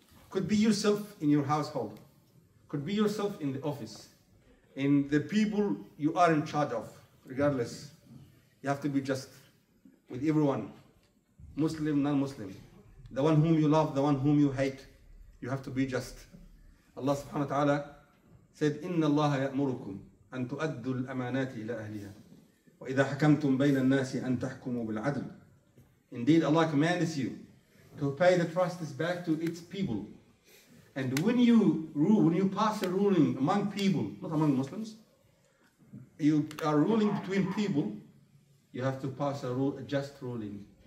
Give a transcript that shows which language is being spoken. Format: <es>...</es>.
<en>Could be yourself in your household. Could be yourself in the office. In the people you are in charge of, regardless. You have to be just with everyone. Muslim, non-Muslim. The one whom you love, the one whom you hate. You have to be just.</en> <ar>Allah subhanahu wa ta'ala said, إِنَّ اللَّهَ يَأْمُرُكُمْ أَن تُؤَدُّوا الْأَمَانَاتِ إِلَىٰ أَهْلِهَا وَإِذَا حَكَمْتُمْ بَيْنَ النَّاسِ أَن تَحْكُمُوا بِالْعَدْلِ.</ar> <en>Indeed, Allah commands you to pay the trustees back to its people. And when you rule, when you pass a ruling among people, not among Muslims, you are ruling between people, you have to pass a just ruling.</en>